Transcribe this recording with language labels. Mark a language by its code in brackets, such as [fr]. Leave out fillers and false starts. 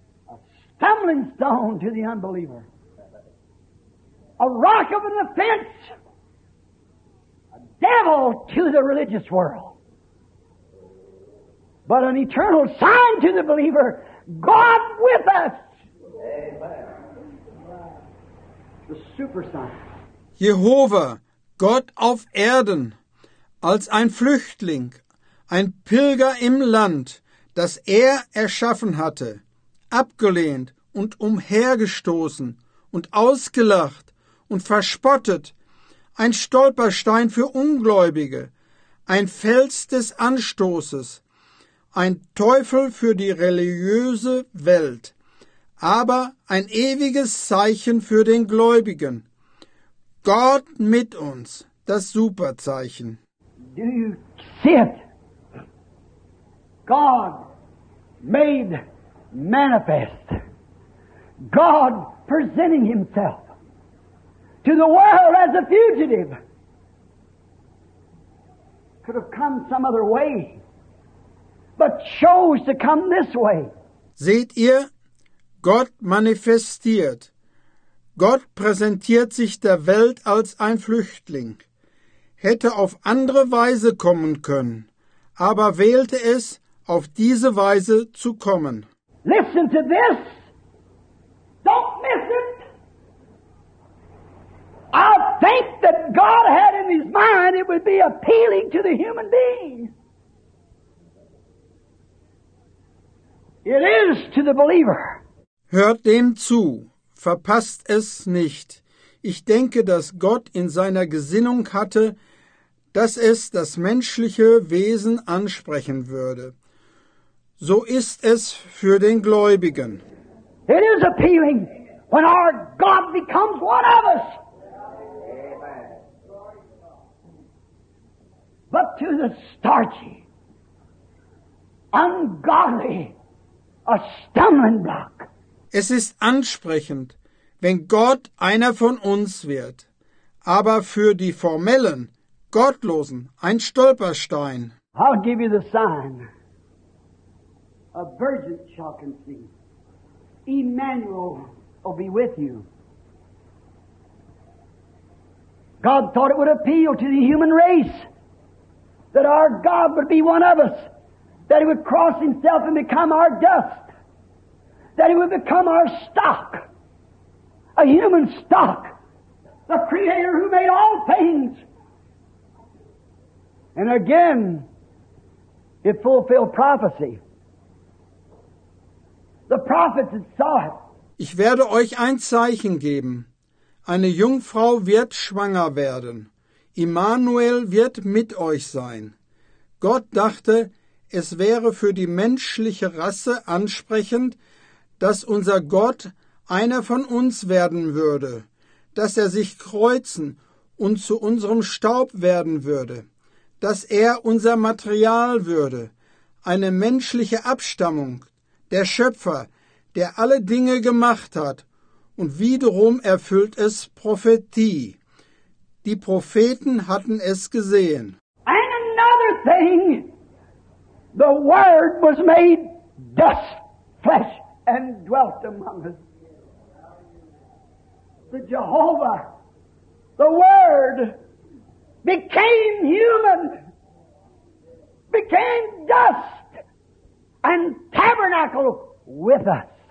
[en] A stumbling stone to the unbeliever. A rock of an offense. A devil to the religious world. But an eternal sign to the believer, God with us. Amen. The super sign. [de] Jehova, Gott auf Erden, als ein Flüchtling, ein Pilger im Land, das er erschaffen hatte, abgelehnt und umhergestoßen und ausgelacht und verspottet, ein Stolperstein für Ungläubige, ein Fels des Anstoßes, ein Teufel für die religiöse Welt, aber ein ewiges Zeichen für den Gläubigen. Gott mit uns, das Superzeichen. [en] Do you see it? God made manifest. God presenting himself to the world as a fugitive. Could have come some other way. But chose to come this way. [de] Seht ihr? Gott manifestiert. Gott präsentiert sich der Welt als ein Flüchtling. Hätte auf andere Weise kommen können, aber wählte es, auf diese Weise zu kommen. [en] Listen to this. Don't miss it. I think that God had in his mind it would be appealing to the human being. It is to the believer. [de] Hört dem zu, verpasst es nicht. Ich denke, dass Gott in seiner Gesinnung hatte, dass es das menschliche Wesen ansprechen würde. So ist es für den Gläubigen. [en] It is appealing when our God becomes one of us. But to the starchy, ungodly, a stumbling block. [de] Es ist ansprechend, wenn Gott einer von uns wird, aber für die Formellen, Gottlosen, ein Stolperstein. [en] I'll give you the sign. A virgin shall conceive. Emmanuel will be with you. God thought it would appeal to the human race that our God would be one of us, that he would cross himself and become our dust. That he would become our stock, a human stock, the Creator who made all things. And again, it fulfilled prophecy. The prophets had saw it. [de] Ich werde euch ein Zeichen geben. Eine Jungfrau wird schwanger werden. Immanuel wird mit euch sein. Gott dachte, es wäre für die menschliche Rasse ansprechend, dass unser Gott einer von uns werden würde, dass er sich kreuzen und zu unserem Staub werden würde, dass er unser Material würde, eine menschliche Abstammung, der Schöpfer, der alle Dinge gemacht hat, und wiederum erfüllt es Prophetie. Die Propheten hatten es gesehen. [en] And another thing, the Word was made dust, flesh. And dwelt among us. The Jehovah, the Word, became human, became dust, and tabernacled with us.